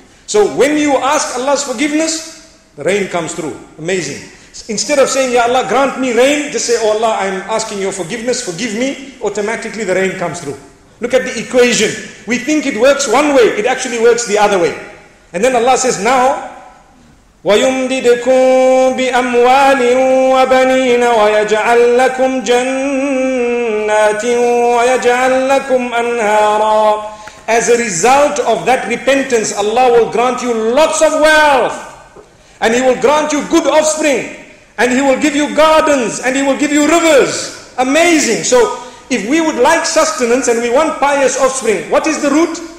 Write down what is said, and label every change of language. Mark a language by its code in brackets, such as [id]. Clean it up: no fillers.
[en] So when you ask Allah's forgiveness, the rain comes through. Amazing. Instead of saying, Ya Allah, grant me rain, just say, oh Allah, I'm asking your forgiveness, forgive me. Automatically the rain comes through. Look at the equation. We think it works one way, it actually works the other way. And then Allah says, now, [ar] وَيُمْدِدْكُمْ بِأَمْوَالٍ وَبَنِينَ وَيَجْعَلْ لَكُمْ جَنَّةٍ. جَنَّاتٍ وَيَجْعَلْ لَكُمْ أَنْهَارًا. [en] As a result of that repentance, Allah will grant you lots of wealth, and He will grant you good offspring, and He will give you gardens, and He will give you rivers. Amazing. So if we would like sustenance and we want pious offspring, what is the root?